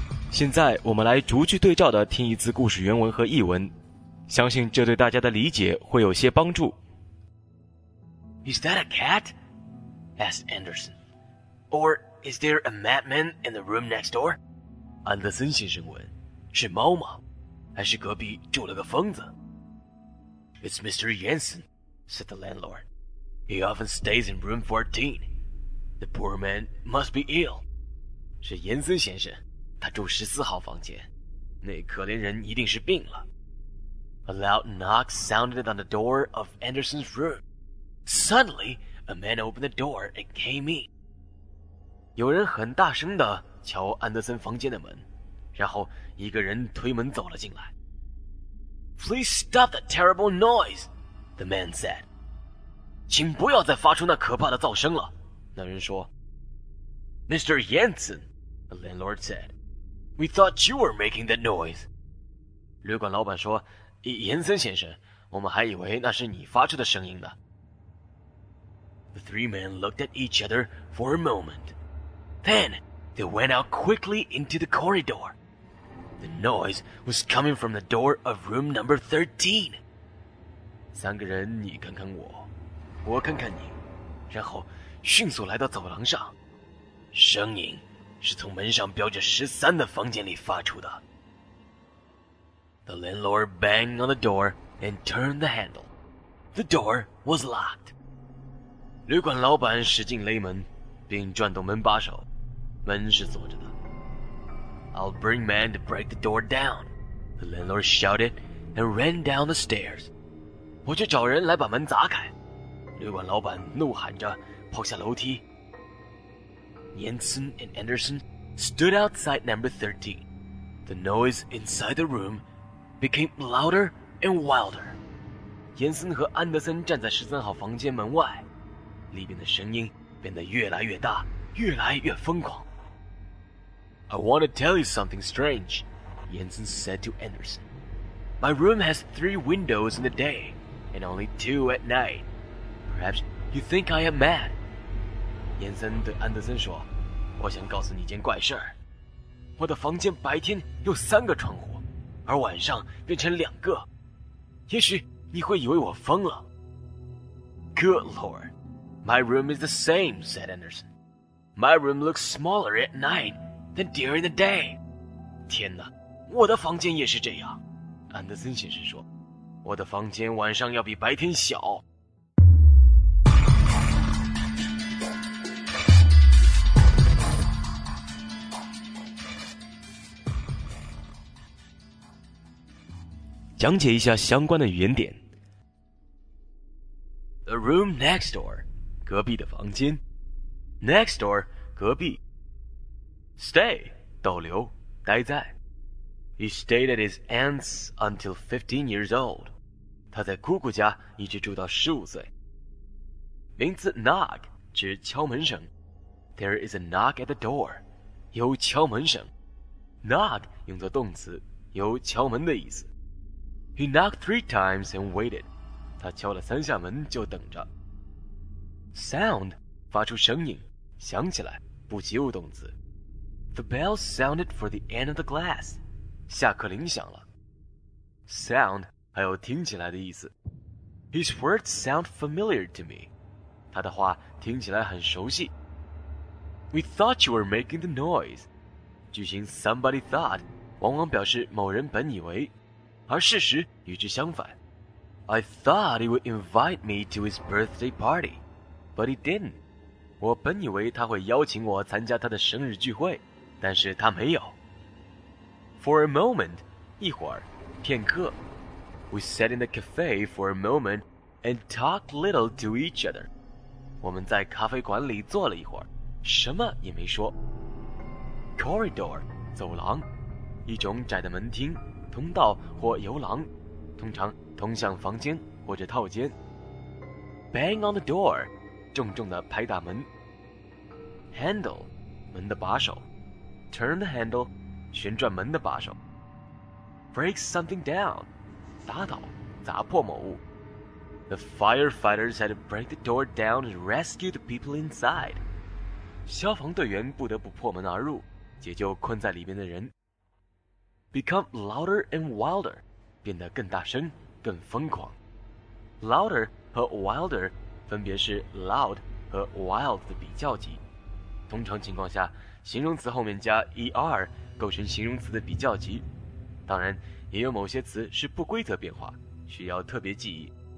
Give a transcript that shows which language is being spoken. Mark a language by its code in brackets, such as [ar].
[zh] 现在我们来逐句对照的听一次故事原文和译文。相信这对大家的理解会有些帮助。 [en] Is that a cat? Asked Anderson. Or is there a madman in the room next door? [zh] 安德森先生问，是猫吗？还是隔壁住了个疯子？ [en] It's Mr. Jensen, said the landlord. He often stays in room 14. The poor man must be ill. [zh] 是严森先生，他住14号房间。那可怜人一定是病了。 [en] A loud knock sounded on the door of Anderson's room. Suddenly, a man opened the door and came in. [zh] 有人很大声地敲安德森房间的门，然后一个人推门走了进来。 [en] Please stop that terrible noise, the man said. [zh] 请不要再发出那可怕的噪声了，那人说。 [en] Mr. Jensen, the landlord said. We thought you were making that noise. [zh] 旅馆老板说，严森先生，我们还以为那是你发出的声音呢。 [en] The three men looked at each other for a moment. Then, they went out quickly into the corridor. The noise was coming from the door of room number 13. [zh] 三个人你看看我，我看看你，然后迅速来到走廊上。声音是从门上标着13的房间里发出的。 [en] The landlord banged on the door and turned the handle. The door was locked. [zh] 旅馆老板使劲勒门，并转动门把手，门是锁着的。 [en] I'll bring man to break the door down. The landlord shouted and ran down the stairs. [zh] 我去找人来把门砸开。旅馆老板怒喊着跑下楼梯。 [en] Jensen and Anderson stood outside number 13. The noise inside the room became louder and wilder. [zh] Jensen 和安德森站在13号房间门外，里面的声音变得越来越大，越来越疯狂。 [en] I want to tell you something strange, Jensen said to Anderson. My room has 3 windows in the day and only 2 at night. Perhaps you think I am mad. [zh] 严森对安德森说，我想告诉你一件怪事儿。我的房间白天有3个窗户，而晚上变成2个。也许你会以为我疯了。 [en] Good Lord, my room is the same, said Anderson. My room looks smaller at night than during the day. [zh] 天哪，我的房间也是这样。安德森先生说，我的房间晚上要比白天小。讲解一下相关的语言点。 [en] A room next door, [zh] 隔壁的房间。 [en] Next door, 隔壁。 [zh] Stay, 逗留，待在。 [en] He stayed at his aunt's until 15 years old. [zh] 他在姑姑家一直住到15岁。名词 knock, 指敲门声。 [en] There is a knock at the door, [zh] 有敲门声。 Knock, 用作动词，有敲门的意思。 [en] He knocked 3 times and waited. [zh] 他敲了3下门就等着。 [en] Sound, [zh] 发出声音，响起来，不及物动词。 [en] The bell sounded for the end of the glass. [zh] 下课铃响了。 Sound, 还有听起来的意思。 [en] His words sound familiar to me. [zh] 他的话听起来很熟悉。 [en] We thought you were making the noise. [zh] 句型 [en] somebody thought, [zh] 往往表示某人本以为。而事实与之相反。 [en] I thought he would invite me to his birthday party, but he didn't. [zh] 我本以为他会邀请我参加他的生日聚会，但是他没有。 [en] For a moment, [zh] 一会儿，片刻。 [en] We sat in the cafe for a moment and talked little to each other. [zh] 我们在咖啡馆里坐了一会儿，什么也没说。 [en] Corridor, [zh] 走廊，一种窄的门厅。通道或游廊，通常通向房间或者套间。 [en] Bang on the door, [zh] 重重地拍打门。 [en] Handle, [zh] 门的把手。 [en] Turn the handle, [zh] 旋转门的把手。 [en] Break something down, [zh] 打倒，砸破某物。 [en] The firefighters had to break the door down and rescue the people inside. [zh] 消防队员不得不破门而入，解救困在里面的人。 [en] Become louder and wilder, [zh] 变得更大声，更疯狂。 Louder 和 wilder 分别是 loud 和 wild 的比较级。通常情况下，形容词后面加 er 构成形容词的比较级。当然，也有某些词是不规则变化，需要特别记忆。